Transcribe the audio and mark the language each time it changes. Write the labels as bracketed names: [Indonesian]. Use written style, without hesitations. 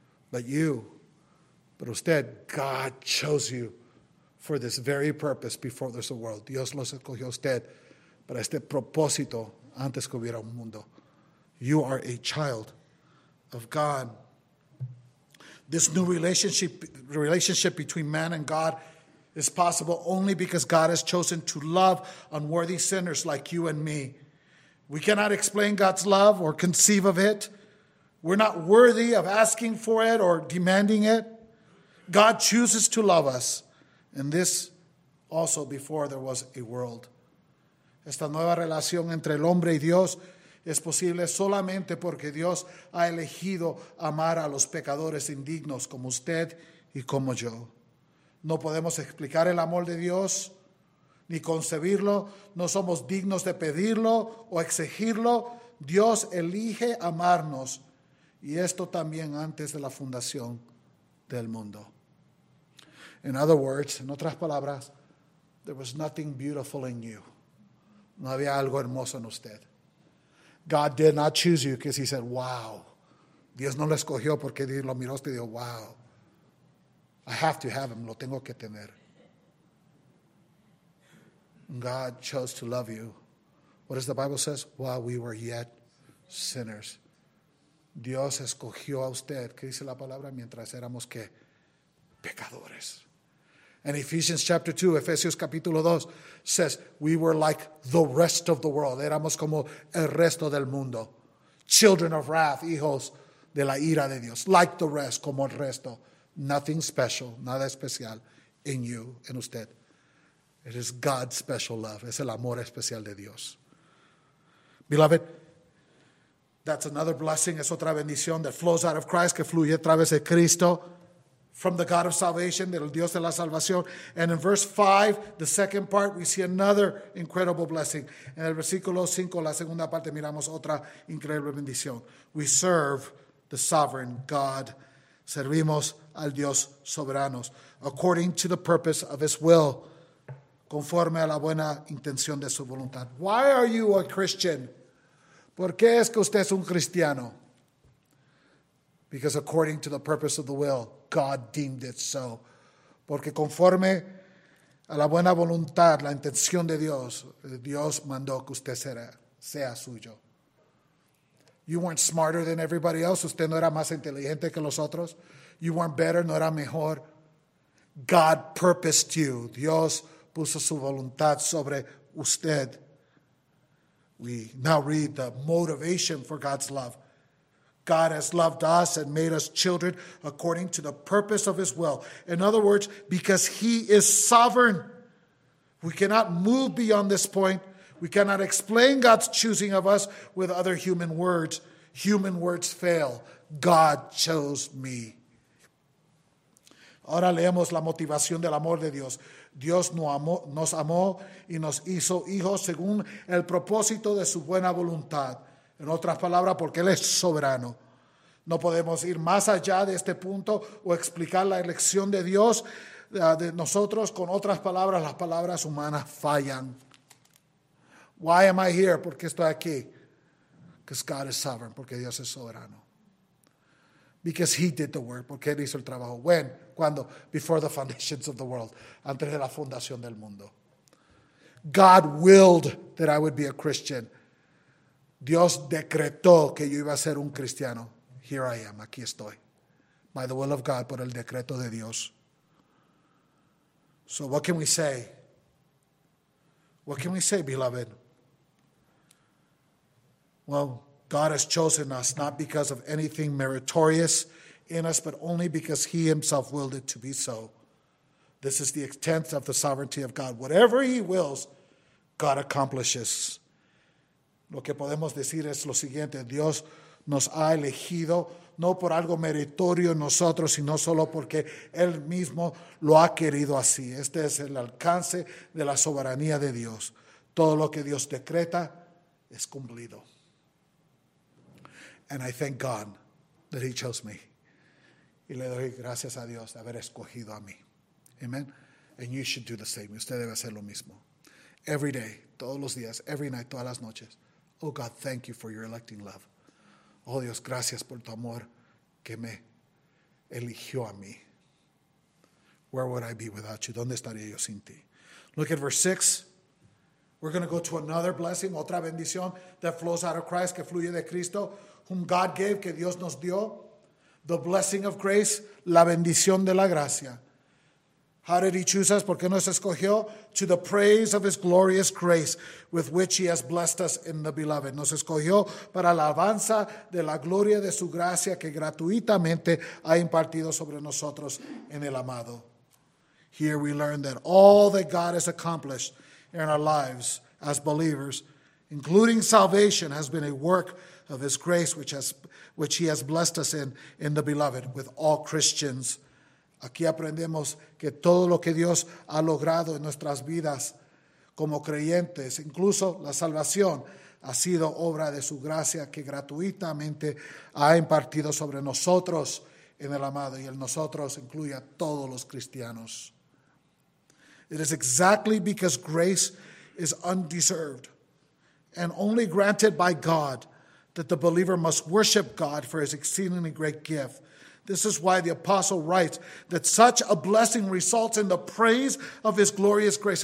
[English] But you, but usted, God chose you for this very purpose before there's a world. [Spanish] Dios los escogió a usted para este propósito antes que hubiera un mundo. [English] You are a child of God. This new relationship between man and God is possible only because God has chosen to love unworthy sinners like you and me. We cannot explain God's love or conceive of it. We're not worthy of asking for it or demanding it. God chooses to love us. And this also before there was a world. [Spanish] Esta nueva relación entre el hombre y Dios es posible solamente porque Dios ha elegido amar a los pecadores indignos como usted y como yo. No podemos explicar el amor de Dios ni concebirlo. No somos dignos de pedirlo o exigirlo. Dios elige amarnos. Y esto también antes de la fundación del mundo. [English] In other words, [Spanish] en otras palabras, [English] there was nothing beautiful in you. [Spanish] No había algo hermoso en usted. [English] God did not choose you because he said, wow. [Spanish] Dios no lo escogió porque lo miró y dijo, wow. [English] I have to have him, [Spanish] lo tengo que tener. [English] God chose to love you. What does the Bible say? While we were yet sinners. [Spanish] Dios escogió a usted, ¿qué dice la palabra? Mientras éramos, ¿qué? Pecadores. [English] And Ephesians chapter 2, [Spanish] Efesios capítulo 2, [English] says, we were like the rest of the world. [Spanish] Éramos como el resto del mundo. [English] Children of wrath, [Spanish] hijos de la ira de Dios. [English] Like the rest, [Spanish] como el resto. [English] Nothing special, [Spanish] nada especial [English] in you, [Spanish] en usted. [English] It is God's special love. [Spanish] Es el amor especial de Dios. [English] Beloved, that's another blessing. [Spanish] Es otra bendición [English] that flows out of Christ, [Spanish] que fluye a través de Cristo, [English] from the God of salvation, [Spanish] del Dios de la salvación. [English] And in verse 5, the second part, we see another incredible blessing. [Spanish] En el versículo 5, la segunda parte, miramos otra increíble bendición. [English] We serve the sovereign God. [Spanish] Servimos al Dios soberanos, [English] according to the purpose of his will, [Spanish] conforme a la buena intención de su voluntad. [English] Why are you a Christian? [Spanish] ¿Por qué es que usted es un cristiano? [English] Because according to the purpose of the will, God deemed it so. [Spanish] Porque conforme a la buena voluntad, la intención de Dios, Dios mandó que usted sea suyo. [English] You weren't smarter than everybody else. [Spanish] Usted no era más inteligente que los otros. [English] You weren't better, [Spanish] no era mejor. [English] God purposed you. [Spanish] Dios puso su voluntad sobre usted. [English] We now read the motivation for God's love. God has loved us and made us children according to the purpose of his will. In other words, because he is sovereign. We cannot move beyond this point. We cannot explain God's choosing of us with other human words. Human words fail. God chose me. [Spanish] Ahora leemos la motivación del amor de Dios. Dios nos amó y nos hizo hijos según el propósito de su buena voluntad. En otras palabras, porque Él es soberano. No podemos ir más allá de este punto o explicar la elección de Dios de nosotros. Con otras palabras, las palabras humanas fallan. [English] Why am I here? [Spanish] ¿Por qué estoy aquí? [English] Because God is sovereign, [Spanish] porque Dios es soberano. [English] Because he did the work, [Spanish] porque él hizo el trabajo. [English] When? [Spanish] Cuando? [English] Before the foundations of the world. [Spanish] Antes de la fundación del mundo. [English] God willed that I would be a Christian. [Spanish] Dios decretó que yo iba a ser un cristiano. [English] Here I am, [Spanish] aquí estoy. [English] By the will of God, [Spanish] por el decreto de Dios. [English] So what can we say? What can we say, beloved? Well, God has chosen us not because of anything meritorious in us, but only because he himself willed it to be so. This is the extent of the sovereignty of God. Whatever he wills, God accomplishes. [Spanish] Lo que podemos decir es lo siguiente. Dios nos ha elegido no por algo meritorio en nosotros, sino solo porque él mismo lo ha querido así. Este es el alcance de la soberanía de Dios. Todo lo que Dios decreta es cumplido. [English] And I thank God that he chose me. [Spanish] Y le doy gracias a Dios de haber escogido a mí. [English] Amen. And you should do the same. [Spanish] Usted debe hacer lo mismo. [English] Every day, [Spanish] todos los días, [English] every night, [Spanish] todas las noches. [English] Oh God, thank you for your electing love. [Spanish] Oh Dios, gracias por tu amor que me eligió a mí. [English] Where would I be without you? [Spanish] ¿Dónde estaría yo sin ti? [English] Look at verse 6. We're going to go to another blessing, [Spanish] otra bendición [English] that flows out of Christ, [Spanish] que fluye de Cristo, [English] whom God gave, [Spanish] que Dios nos dio, [English] the blessing of grace, [Spanish] la bendición de la gracia. [English] How did he choose us? [Spanish] ¿Por qué nos escogió? [English] To the praise of his glorious grace, with which he has blessed us in the beloved. [Spanish] Nos escogió para la alabanza de la gloria de su gracia que gratuitamente ha impartido sobre nosotros en el amado. [English] Here we learn that all that God has accomplished in our lives as believers, including salvation, has been a work of his grace, which he has blessed us in the beloved, with all Christians. [Spanish] Aquí aprendemos que todo lo que Dios ha logrado en nuestras vidas como creyentes, incluso la salvación, ha sido obra de su gracia que gratuitamente ha impartido sobre nosotros en el amado, y el nosotros incluye a todos los cristianos. [English] It is exactly because grace is undeserved and only granted by God that the believer must worship God for his exceedingly great gift. This is why the apostle writes that such a blessing results in the praise of his glorious grace.